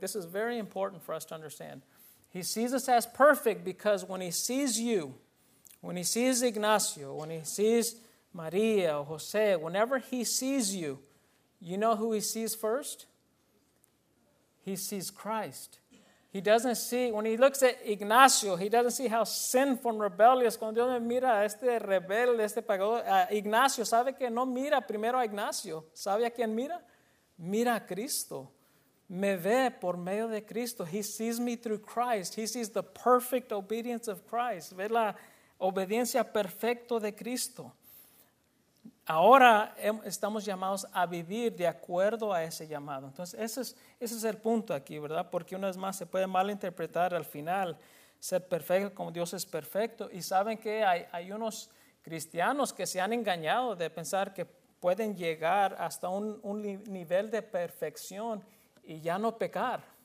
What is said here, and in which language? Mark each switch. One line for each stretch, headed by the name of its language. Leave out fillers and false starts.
English: This is very important for us to understand. He sees us as perfect because when he sees you, when he sees Ignacio, when he sees Maria or Jose, whenever he sees you, you know who he sees first? He sees Christ. He doesn't see, when he looks at Ignacio, he doesn't see how sinful and rebellious.
Spanish: Cuando Dios mira a este rebelde, este pagador, Ignacio, ¿sabe que no mira primero a Ignacio? ¿Sabe a quién mira? Mira a Cristo. Me ve por medio de Cristo.
English: He sees me through Christ. He sees the perfect obedience of Christ.
Spanish: Ve la obediencia perfecta de Cristo. Ahora estamos llamados a vivir de acuerdo a ese llamado. Entonces ese es el punto aquí, ¿verdad? Porque una vez más se puede malinterpretar al final. ser perfecto como Dios es perfecto. Y saben que hay unos cristianos que se han engañado de pensar que pueden llegar hasta un nivel de perfección y ya no pecar.